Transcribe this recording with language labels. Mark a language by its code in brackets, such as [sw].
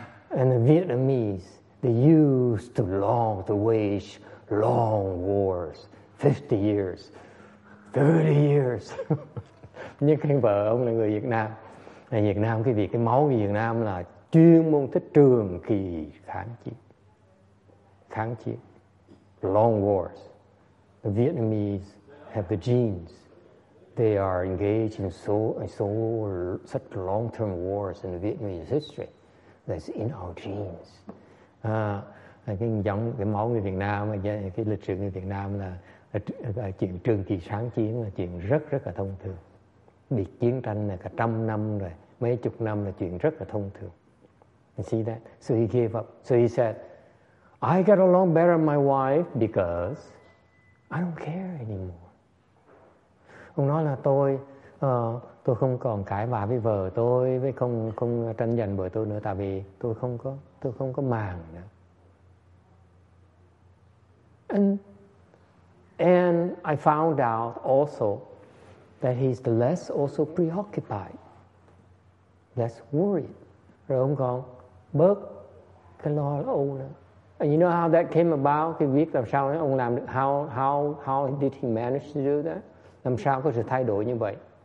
[en] And the Vietnamese, they used to long to wage long wars, 50 years, 30 years. [vi] Nhưng cái vợ ông là người Việt Nam. Ở Việt Nam, cái việc cái máu của Việt Nam là chuyên môn thích trường kỳ kháng chiến. Kháng chiến. [en] Long wars. The Vietnamese have the genes. They are engaged in such long-term wars in Vietnamese history. That's in our genes. [vi] Cái máu người Việt Nam, cái lịch sử người Việt Nam là chuyện trường kỳ kháng chiến là chuyện rất rất là thông thường. Bị chiến tranh là cả trăm năm rồi, mấy chục năm là chuyện rất là thông thường. [en] You see that? So he gave up. So he said, I got along better with my wife because I don't care anymore. [vi] Ông nói là tôi không còn cãi vã với vợ tôi, với không tranh giành vợ tôi nữa, tại vì tôi không có màng nữa. [en] And I found out also that he's less also preoccupied, less worried. [vi] Rồi ông còn bớt cái lo âu nữa. [en] And you know how that came about? [vi] Cái việc làm sao ông làm được? [en] How did he manage to do that? [vi] Làm sao có sự thay đổi như vậy?